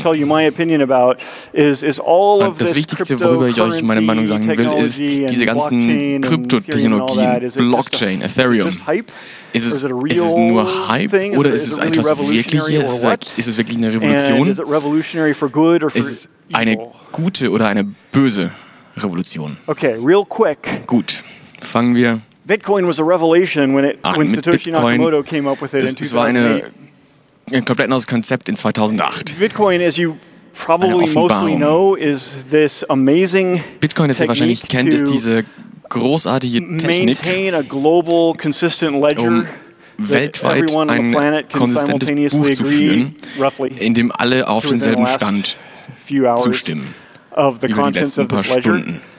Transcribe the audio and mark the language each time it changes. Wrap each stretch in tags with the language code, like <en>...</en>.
<de>Das Wichtigste, worüber ich euch meine Meinung sagen will, ist diese ganzen Kryptotechnologien, Blockchain, Ethereum. Ist es nur Hype oder ist es etwas Wirkliches? Ist es wirklich eine Revolution? Ist es eine gute oder eine böse Revolution?</de> <en>Okay, real quick.</en> <de>Gut, fangen wir.</de> <en>Bitcoin was a revelation when Satoshi Nakamoto came up with it in 2008.</en> <de>Es war ein komplett neues Konzept in 2008.</de> <en>Bitcoin, as you probably mostly know, is this amazing.</en> <de>Bitcoin, das ihr wahrscheinlich kennt, ist diese großartige Technik,</de> <en>maintain a global consistent ledger,</en> <de>weltweit ein konsistentes Buch zu führen, in dem alle auf denselben Stand zustimmen über die letzten paar Stunden.</de>